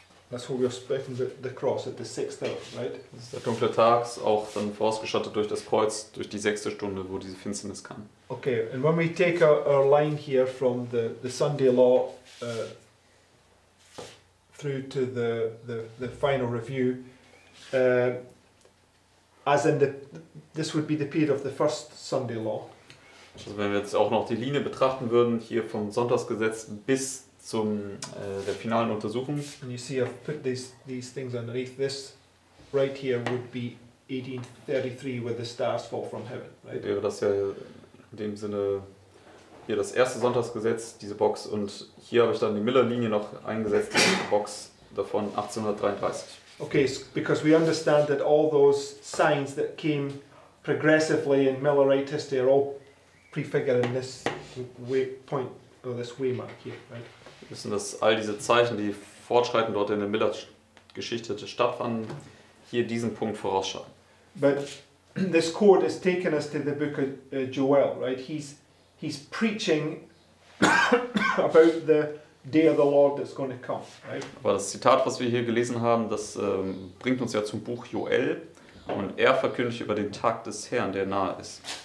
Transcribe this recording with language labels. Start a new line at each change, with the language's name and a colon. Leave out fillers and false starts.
English: That's what we're splitting the cross at the sixth hour, right?
German: Das ist der dunkle Tag, auch dann vorausgestattet durch das Kreuz, durch die sechste Stunde, wo diese Finsternis kam.
English: Okay, and when we take our line here from the Sunday law through to the final review, as in this would be the period of the first Sunday law.
German: Also wenn wir jetzt auch noch die Linie betrachten würden, hier vom Sonntagsgesetz bis zum der finalen Untersuchung.
English: And you see, I've put these things underneath. This right here would be 1833, where the stars fall from heaven. Right?
German: Wäre das ja in dem Sinne hier das erste Sonntagsgesetz, diese Box. Und hier habe ich dann die Miller-Linie noch eingesetzt, die Box davon 1833.
English: Okay, because we understand that all those signs that came progressively in Millerite history are all prefiguring this waypoint or this waymark here, right?
German: Wir wissen, dass all diese Zeichen, die fortschreiten dort in der Miller-Geschichte stattfanden, hier diesen Punkt vorausschauen.
English: But this quote has taken us to the book of Joel, right? He's preaching about the day of the Lord that's going to come, right?
German: Aber das Zitat, was wir hier gelesen haben, das bringt uns ja zum Buch Joel, und er verkündigt über den Tag des Herrn, der nahe ist.